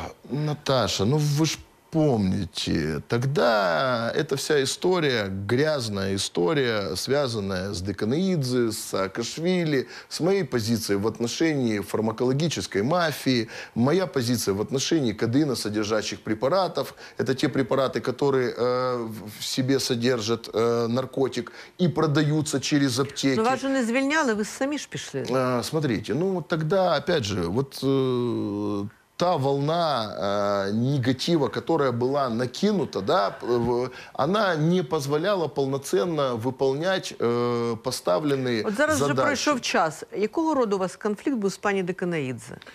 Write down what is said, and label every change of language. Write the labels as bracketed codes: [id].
[ru] Наташа, ну вы ж помните, тогда эта вся история, грязная история, связанная с Деканоидзе, с Саакашвили, с моей позицией в отношении фармакологической мафии, моя позиция в отношении кодеина, содержащих препаратов, это те препараты, которые в себе содержат наркотик и продаются через аптеки. [uk] Но вас же не звільняли, вы сами ж пішли. [ru] Смотрите, ну тогда, опять же, вот... Та волна негатива, которая была накинута, да, она не позволяла полноценно выполнять поставленные [uk] от зараз [ru] задачи. [uk] Вот зараз же пройшов час. Якого роду у вас [ru] конфликт был [uk] с пані Деканоїдзе?